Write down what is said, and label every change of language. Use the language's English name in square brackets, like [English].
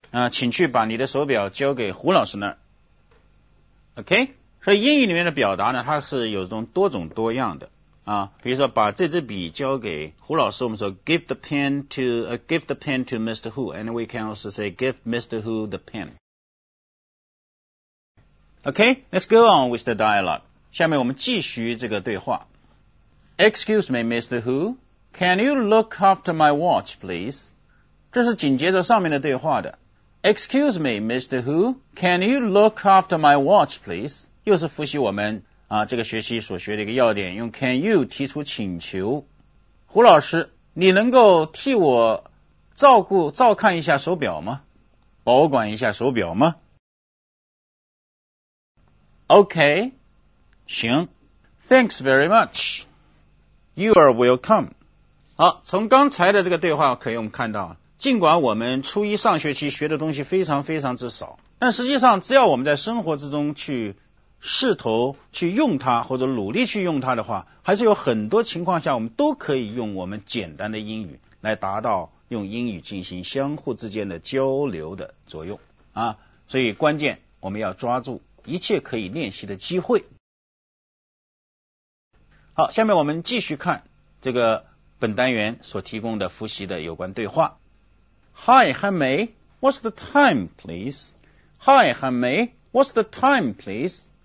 [Chinese] 请去把你的手表交给胡老师那儿。OK， 所以英语里面的表达呢，它是有种多种多样的啊，比如说把这支笔交给胡老师，我们说 [English] give the pen to Mr. Hu， and we can also say give Mr. Hu the pen. Okay, let's go on with the dialogue. [Chinese] 下面我们继续这个对话。 [English] Excuse me, Mr. Hu, can you look after my watch, please? [Chinese] 这是紧接着上面的对话的。 [English] Excuse me, Mr. Hu, can you look after my watch, please? [Chinese] 又是复习我们这个学期所学的一个要点，用 [English] can you [Chinese] 提出请求。胡老师，你能够替我照看一下手表吗？保管一下手表吗？ [English] OK， [Chinese] 行。 [English] Thanks very much. You are welcome. [Chinese] 好，从刚才的这个对话可以我们看到，尽管我们初一上学期学的东西非常非常之少，但实际上只要我们在生活之中去试图去用它，或者努力去用它的话，还是有很多情况下我们都可以用我们简单的英语来达到用英语进行相互之间的交流的作用啊。所以关键我们要抓住一切可以练习的机会。好，下面我们继续看这个本单元所提供的复习的有关对话。 [English] Hi, Hanmei, what's the time, please? Hi, Hanmei, what's the time, please?